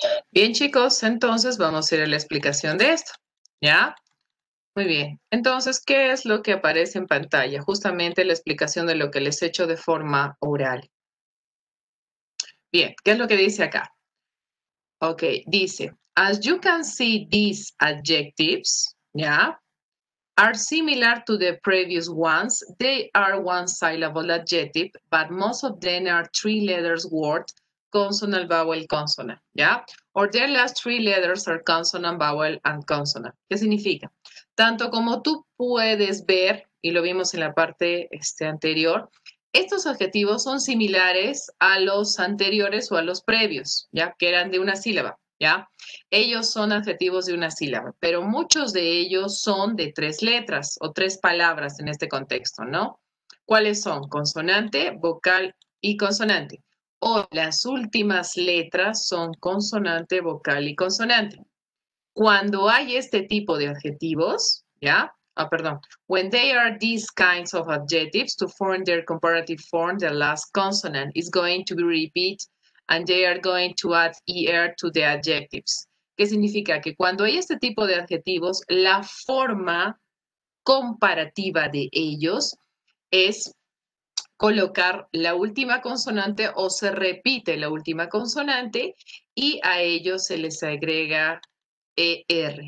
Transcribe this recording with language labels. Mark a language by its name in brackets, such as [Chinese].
[Spanish] Bien, chicos, entonces vamos a ir a la explicación de esto. ¿Ya? Muy bien. Entonces, ¿qué es lo que aparece en pantalla? Justamente la explicación de lo que les he hecho de forma oral. Bien, ¿qué es lo que dice acá? [English] Ok, [Spanish] dice, [English] as you can see, these adjectives, ¿ya? Are similar to the previous ones. They are one-syllable adjective, but most of them are three-letters words. Consonant, vowel, consonant, ¿ya? Or their last three letters are consonant, vowel, and consonant. [Spanish] ¿Qué significa? Tanto como tú puedes ver, y lo vimos en la parte anterior, estos adjetivos son similares a los anteriores o a los previos, ¿ya? Que eran de una sílaba, ¿ya? Ellos son adjetivos de una sílaba, pero muchos de ellos son de tres letras o tres palabras en este contexto, ¿no? ¿Cuáles son? Consonante, vocal y consonante. O las últimas letras son consonante, vocal y consonante. Cuando hay este tipo de adjetivos, ¿ya? Ah, perdón. [English] When they are these kinds of adjectives to form their comparative form, the last consonant is going to be repeated and they are going to add er to the adjectives. [Spanish] ¿Qué significa? Que cuando hay este tipo de adjetivos, la forma comparativa de ellos es colocar la última consonante o se repite la última consonante y a ellos se les agrega ER.